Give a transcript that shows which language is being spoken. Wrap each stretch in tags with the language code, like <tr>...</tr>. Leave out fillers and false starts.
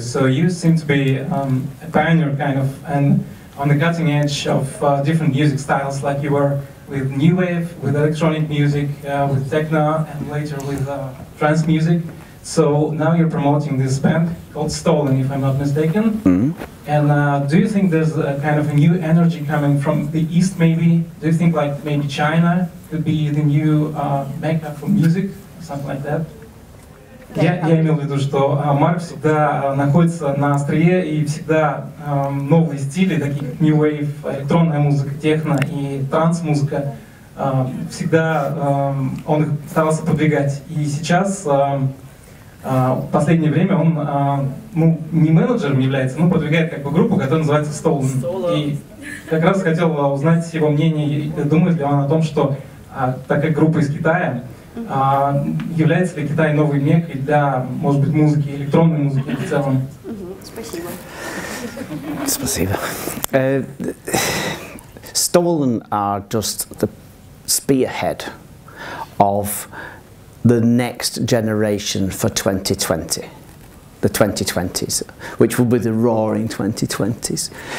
<en>So you seem to be a pioneer, kind of, and on the cutting edge of different music styles, like you were with new wave, with electronic music, with techno, and later with trance music. So now you're promoting this band called Stolen, if I'm not mistaken. Mm-hmm. And do you think there's a kind of a new energy coming from the East, maybe? Do you think like maybe China could be the new mecca for music, something like that?</en> <ru>Я имел в виду, что Марк всегда находится на острие, и всегда новые стили, такие как New Wave, электронная музыка, техно и транс-музыка, всегда он их старался подвигать. И сейчас, в последнее время, он не менеджером является, но подвигает как бы группу, которая называется Stolen. И как раз хотел узнать его мнение, думает ли он о том, что такая группа из Китая, является ли Китай новой меккой для, может быть, музыки, электронной музыки в целом? Спасибо.</ru> <en>Stolen are just the spearhead of the next generation for 2020. The 2020s, which will be the roaring 2020s.</en>